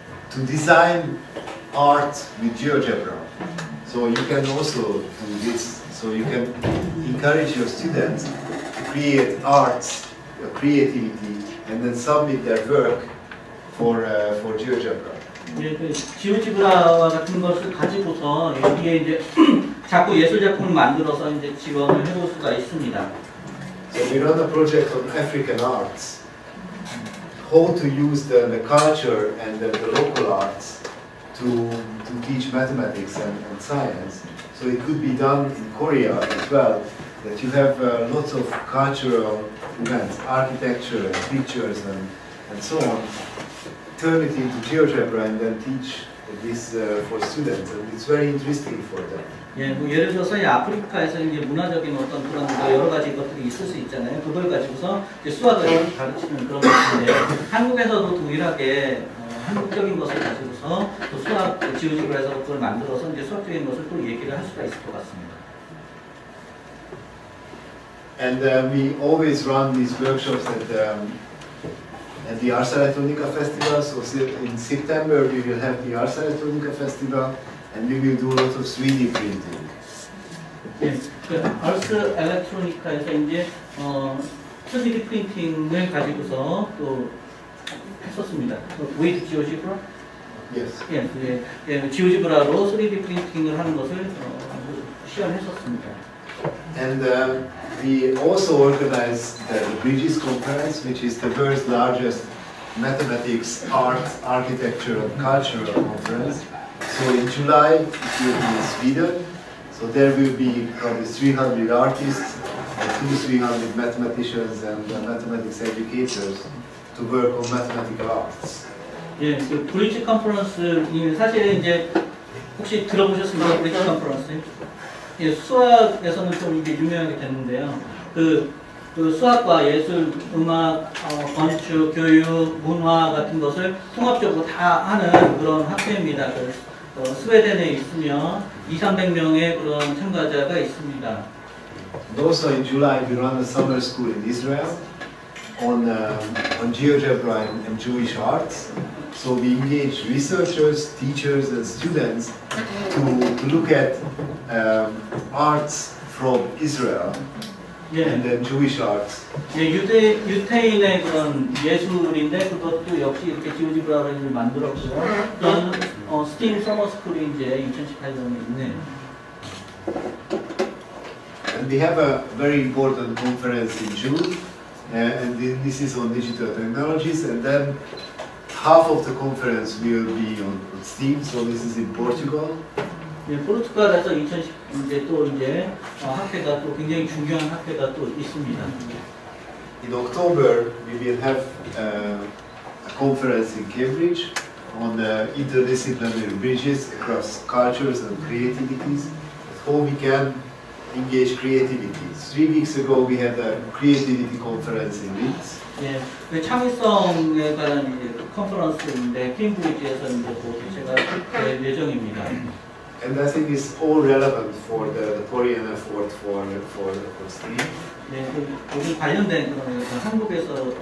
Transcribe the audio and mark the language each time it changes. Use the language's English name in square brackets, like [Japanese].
[English] To design art with GeoGebra. So you can also do this. So you can encourage your students to create arts, creativity, and then submit their work for GeoGebra. [Korean] 예, 그 지오지브라와 같은 것을 가지고서 여기에 이제 자꾸 예술 작품을 만들어서 이제 지원을 해볼 수가 있습니다. [English] So we run a project on African arts. How to use the culture and the local arts to teach mathematics and science. So it could be done in Korea as well, that you have lots of cultural events, architecture and pictures and so on. Turn it into GeoGebra and then teach this for students, and it's very interesting for them. [Korean] 예, 뭐 예를 들어서 아프리카에서 이제 문화적인 어떤 그런 여러 가지 것들이 있을 수 있잖아요. 그걸 가지고서 수학을 가르치는 그런 것인데, 한국에서도 동일하게 한국적인 것을 가지고서 또 수학 지오지브라 해서 그걸 만들어서 이제 수학적인 것을 또 얘기를 할 수가 있을 것 같습니다. [English] And we always run these workshops at at the Ars Electronica Festival. So in September we will have the Ars Electronica Festival, and we will do a lot of 3D printing. [Korean] 네, 아르스 엘렉트로니카에서 이제 3D 프린팅을 가지고서 또 했었습니다. [English] With GeoGebra? Yes. [Korean] 예, 네, 예, 예, GeoGebra로 3D 프린팅을 하는 것을 시연했었습니다. [English] And we also organized the Bridges Conference, which is the world's largest mathematics, art, architecture, and cultural conference. So in July it will be in Sweden. So there will be probably 300 artists, 200-300 mathematicians and mathematics educators to work on mathematical arts. [Korean] 예, 그 브릿지 컨퍼런스는 사실 이제 혹시 들어보셨습니까? 브릿지 컨퍼런스. 예, 수학에서는 좀 이게 유명하게 됐는데요. 그 수학과 예술, 음악, 건축, 교육, 문화 같은 것을 통합적으로 다 하는 그런 학회입니다. 그, 스웨덴에 있으면 2-300명의 그런 참가자가 있습니다. [English] And also in July we run a summer school in Israel on GeoGebra and Jewish arts. So we engage researchers, teachers and students to look at arts from Israel. Yeah. And then Jewish arts. [Korean] 예, 유태인의 그런 예술인데 그것도 역시 이렇게 지오지브라를 만들었고요. 또한 스팀 서머스쿨이 이제 2018년에 있는. [English] And we have a very important conference in June, and this is on digital technologies. And then half of the conference will be on STEAM. So this is in Portugal. [Korean] 예, 포르투갈에서 2010년에 또 이제 학회가 또 굉장히 중요한 학회가 또 있습니다. [English] In October, we will have a conference in Cambridge on the interdisciplinary bridges across cultures and creativities. How we can engage creativity. 3 weeks ago, we had a creativity conference in Leeds. [Korean] 예, 창의성에 관한 이제 컨퍼런스인데 캠브리지에서 이제 보고 제가 예정입니다. [English] And I think it's all relevant for the Korean effort for STEAM. [Korean] 네, 관련된 그런 한국에서